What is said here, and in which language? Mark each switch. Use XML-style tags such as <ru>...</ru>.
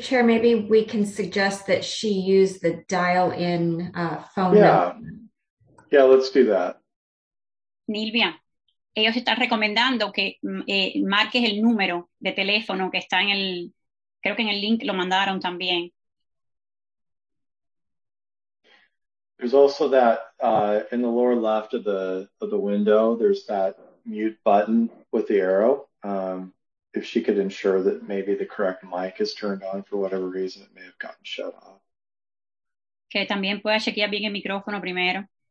<en>Chair, maybe we can suggest that she use the dial-in phone. Yeah. Number. Yeah, let's do that.</en> <es>Nilvia, ellos están recomendando que marques el número de teléfono que está en el, creo que en el link lo mandaron también.</es> <en>There's also that in the lower left of the window, there's that mute button with the arrow. If she could ensure that maybe the correct mic is turned on for whatever reason, it may have gotten shut off.</en> <es>Que también pueda chequear bien el micrófono primero.</es>